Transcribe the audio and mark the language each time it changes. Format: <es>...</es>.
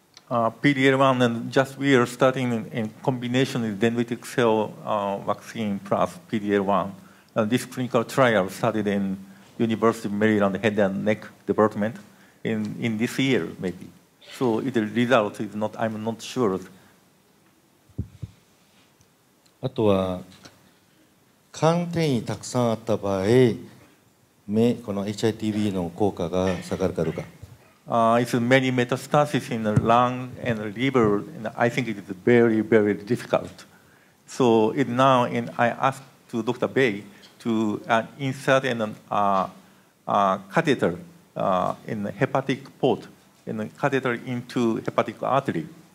<en>PD-L1, and just we are starting in combination with dendritic cell vaccine plus PD-L1. This clinical trial started in University of Maryland Head and Neck Department in this year, maybe. So the result is not, I'm not sure.</en> <ja>あとは肝転移たくさんあった場合、目この HITV の効果が下がるかどうか。</ja> <en>It's many metastases in the lung and the liver, and I think it is very, very difficult. So it now, and I asked to Dr. Beh to insert a catheter in the hepatic port, and a catheter into hepatic artery.</en>